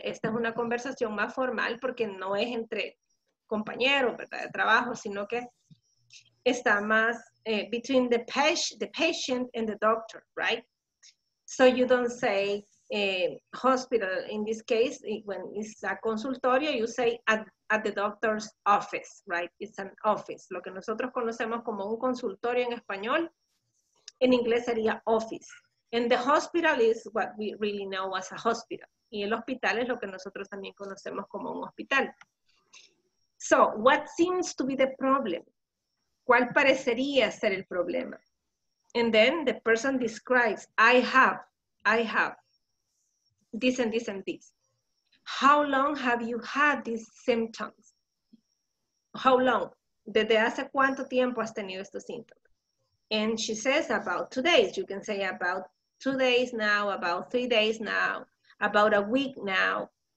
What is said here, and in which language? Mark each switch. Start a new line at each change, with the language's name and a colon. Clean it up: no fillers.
Spanish: Esta es una conversación más formal porque no es entre compañeros, ¿verdad?, de trabajo, sino que está más
English: between the patient and the doctor, right? So you don't say hospital, in this case, when it's a consultorio, you say at the doctor's office, right? It's an office.
Spanish: Lo que nosotros conocemos como un consultorio en español, en inglés sería office.
English: And the hospital is what we really know as a hospital.
Spanish: Y el hospital es lo que nosotros también conocemos como un hospital.
English: So, what seems to be the problem?
Spanish: ¿Cuál parecería ser el problema?
English: And then the person describes, I have, this and this and this. How long have you had these symptoms? How long?
Spanish: ¿Desde hace cuánto tiempo has tenido estos síntomas?
English: And she says, about 2 days. You can say about 2 days now, about 3 days now, about a week now.